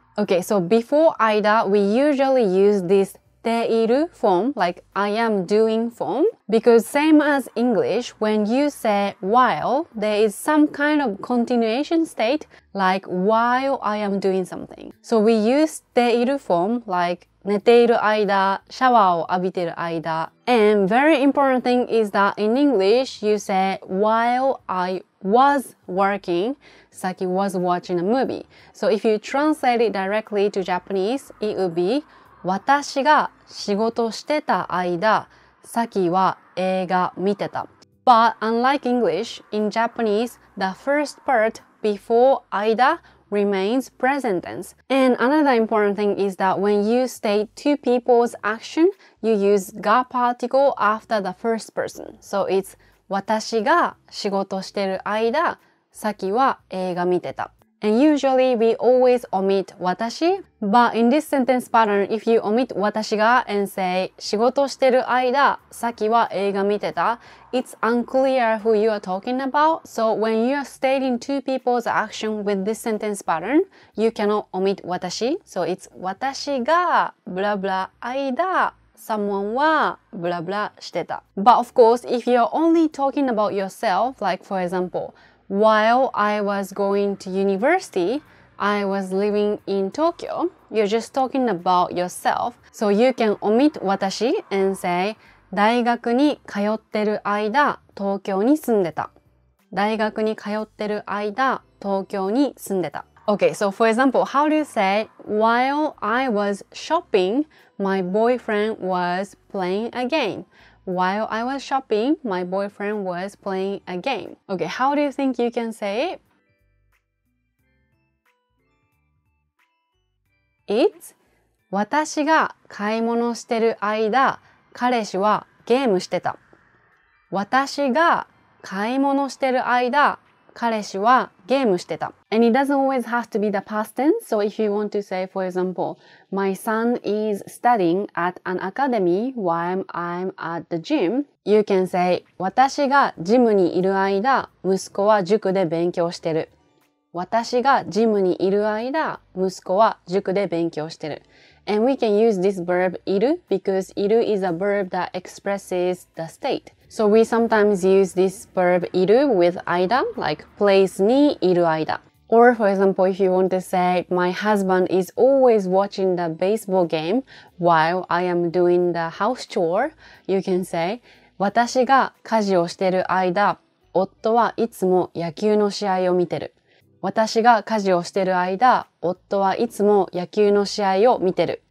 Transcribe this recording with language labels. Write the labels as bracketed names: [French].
[English] Okay, so before 間, we usually use thisている form, like I am doing form. Because same as English, when you say while, there is some kind of continuation state, like while I am doing something. So we use ている form, like [Japanese] 寝ている間、シャワーを浴びている間. [English] And very important thing is that in English, you say while I was working, Saki was watching a movie. So if you translate it directly to Japanese, it would be [Japanese] 私が仕事してた間、さきは映画見てた。 [English] But unlike English, in Japanese, the first part before 間 remains present tense. And another important thing is that when you state two people's action, you use が particle after the first person. So it's [Japanese] 私が仕事してる間、さきは映画見てた。 [English] And usually we always omit 私, but in this sentence pattern, if you omit 私が and say [Japanese] 仕事してる間、さきは映画見てた, [English] it's unclear who you are talking about. So when you are stating two people's action with this sentence pattern, you cannot omit 私. So it's 私が blah blah 間、someone は blah blah してた. But of course, if you're only talking about yourself, like for example,While I was going to university, I was living in Tokyo. You're just talking about yourself. So you can omit 私 and say [Japanese] 大学に通ってる間、東京に住んでた。大学に通ってる間、東京に住んでた。 [English] Okay, so for example, how do you say While I was shopping, my boyfriend was playing a game. While I was shopping, my boyfriend was playing a game. Okay, how do you think you can say it? [Japanese] It's 私が買い物してる間、彼氏はゲームしてた。私が買い物してる間、彼氏はゲームしてた。 [English] And it doesn't always have to be the past tense. So if you want to say, for example, My son is studying at an academy while I'm at the gym, you can say, [Japanese] 私がジムにいる間、息子は塾で勉強してる。私がジムにいる間、息子は塾で勉強してる。 [English] And we can use this verb, いる, because いる is a verb that expresses the state. So we sometimes use this verb いる with 間, like place にいる間. Or for example, if you want to say my husband is always watching the baseball game while I am doing the house chore, you can say [Japanese] 私が家事をしている間、夫はいつも野球の試合を見てる。私が家事をしている間、夫はいつも野球の試合を見てる。